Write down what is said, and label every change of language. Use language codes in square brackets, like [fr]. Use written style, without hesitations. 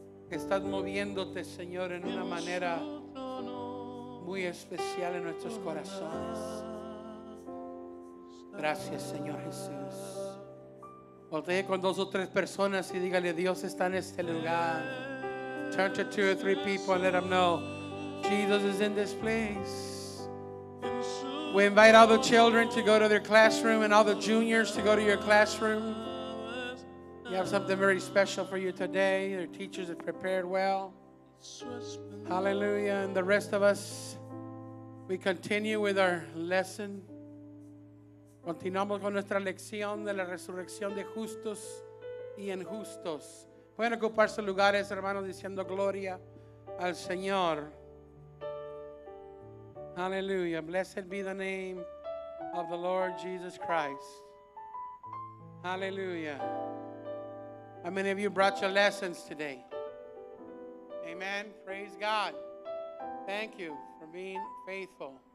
[es] Estás moviéndote, Señor, en una manera muy especial en nuestros corazones. Gracias, Señor Jesús. Voltee con dos o tres personas y dígale: Dios está en este lugar. [en] Turn to two or three people and let them know Jesus is in this place. We invite all the children to go to their classroom and all the juniors to go to your classroom. We have something very special for you today. Their teachers have prepared well. Hallelujah. And the rest of us, we continue with our lesson. [es] Continuamos con nuestra lección de la resurrección de justos y injustos. Pueden ocupar sus lugares, hermanos, diciendo gloria al Señor. [en] Hallelujah. Blessed be the name of the Lord Jesus Christ. Hallelujah. How many of you brought your lessons today? Amen. Praise God. Thank you for being faithful.